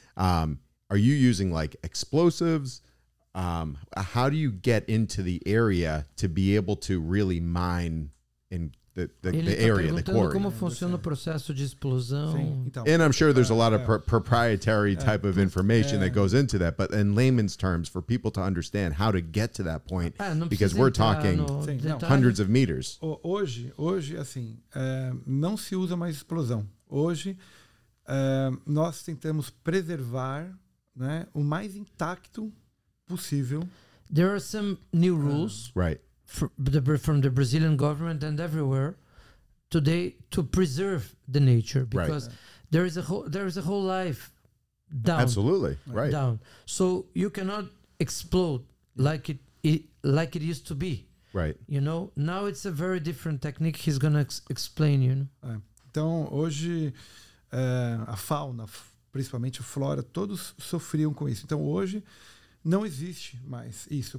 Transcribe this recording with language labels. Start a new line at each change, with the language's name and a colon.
English: Are you using like explosives? How do you get into the area to be able to really mine in the area, the quarry?
Portuguese: Como funciona o processo de explosão?
English: And I'm sure there's a lot of proprietary type of information that goes into that, but in layman's terms, for people to understand how to get to that point, because we're talking hundreds of meters.
Portuguese: Hoje, assim, não se usa mais explosão. Hoje, nós tentamos preservar, né, o mais intacto possível.
English: There are some new rules. Right. From the Brazilian government and everywhere today to preserve the nature because there is a whole life down. Absolutely, right. Down. So you cannot explode like it used to be. Right. You know, now it's a very different technique he's going to explain, you know.
Portuguese: Então, hoje, a fauna, principalmente a flora, todos sofriam com isso. Então, hoje, não existe mais isso.